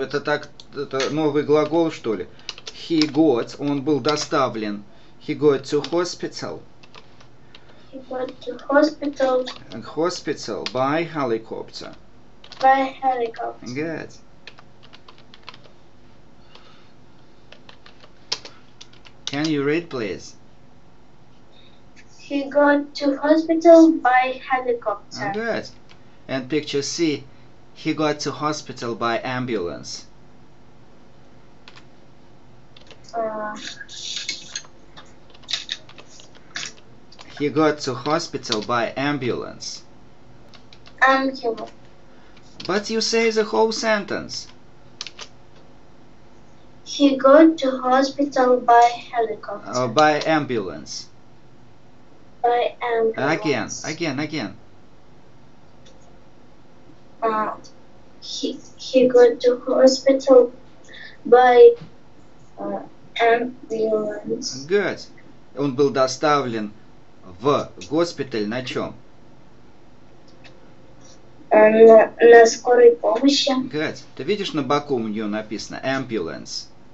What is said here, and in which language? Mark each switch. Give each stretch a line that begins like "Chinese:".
Russian: Это так, это новый глагол, что ли?
English: He got,
Russian: он был доставлен.
English: He got to hospital. He got to hospital. Hospital by helicopter. By helicopter. Good. Can you read, please? He got to hospital by helicopter. Oh, good. And picture C. He got to hospital by ambulance. He got to hospital by ambulance. Ambulance. But you say the whole sentence. He got to hospital by helicopter. By ambulance. By ambulance. Again. He got to hospital by ambulance. Good.
Russian: Он был доставлен в госпиталь на чем? На скорой помощи.
English: Good.
Russian: Ты видишь, на боку у нее написано ambulance.